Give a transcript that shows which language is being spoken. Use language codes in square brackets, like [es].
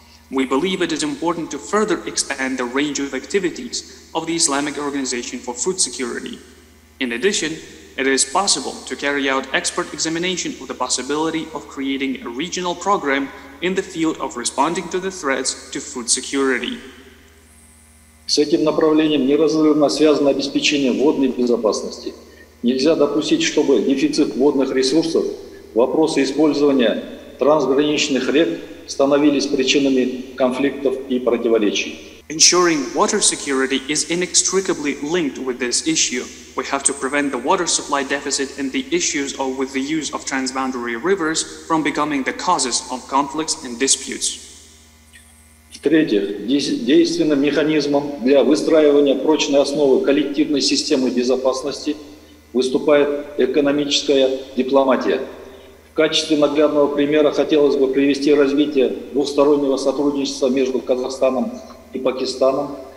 [en] We believe it is important to further expand the range of activities of the Islamic Organization for Food Security. In addition, it is possible to carry out expert examination of the possibility of creating a regional program in the field of responding to the threats to food security. [ru] С этим направлением неразрывно связано обеспечение водной безопасности. Нельзя допустить, чтобы дефицит водных ресурсов, вопросы использования трансграничных рек становились причинами конфликтов и противоречий. [en] Ensuring water security is inextricably linked with this issue. We have to prevent the water supply deficit and the issues with the use of transboundary rivers from becoming the causes of conflicts and disputes. [ru] В-третьих, действенным механизмом для выстраивания прочной основы коллективной системы безопасности выступает экономическая дипломатия. В качестве наглядного примера хотелось бы привести развитие двустороннего сотрудничества между Казахстаном и Пакистаном.